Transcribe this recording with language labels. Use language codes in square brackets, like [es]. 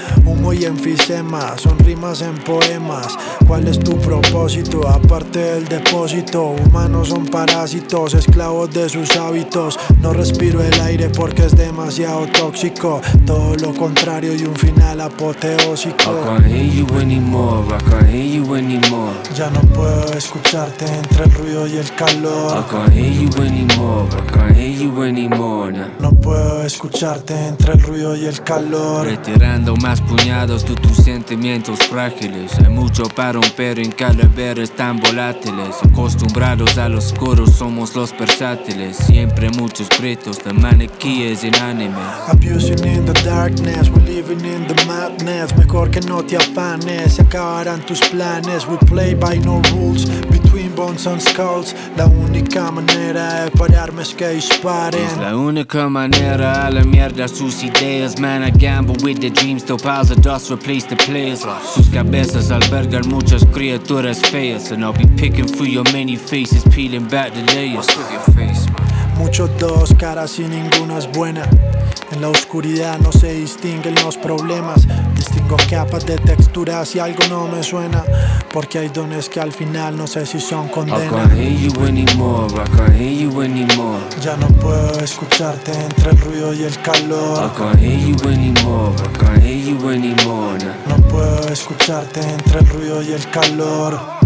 [es] Humo y enfisema, son rimas en poemas. ¿Cuál es tu propósito? Aparte del depósito, humanos son parásitos, esclavos de sus hábitos. No respiro el aire porque es demasiado tóxico. Todo lo contrario y un final apoteósico. [en] I can't hear you anymore, I can't hear you anymore. [es] Ya no puedo escucharte entre el ruido y el calor. [en] I can't hear you anymore, I can't hear you anymore now. [es] No puedo escucharte entre el ruido y el calor. Retirando más puñados de tus sentimientos frágiles. Hay mucho para romper en cada vez. Están volátiles, acostumbrados a los coros, somos los versátiles. Siempre muchos gritos de maniquíes inánimes. [en] Abusing in the darkness, we're living in the madness. [es] Mejor que no te afanes, se acabarán tus planes. [en] We play by no rules, between bones and skulls. [es] La única manera de pararme es que disparen. Es la única manera, a la mierda sus ideas. [en] Man, I gamble with the dreams, till piles of dust replace the players. [es] Sus cabezas albergan muchas criaturas. [en] And I'll be picking through your many faces, peeling back the layers. What's with your face, man? [es] Muchos dos caras y ninguna es buena. En la oscuridad no se distinguen los problemas. Distingo capas de texturas y algo no me suena. Porque hay dones que al final no sé si son condenas. [en] I can't hear you anymore, I can't hear you anymore. [es] Ya no puedo escucharte entre el ruido y el calor. [en] I can't hear you anymore, I can't hear you anymore now. [es] No puedo escucharte entre el ruido y el calor.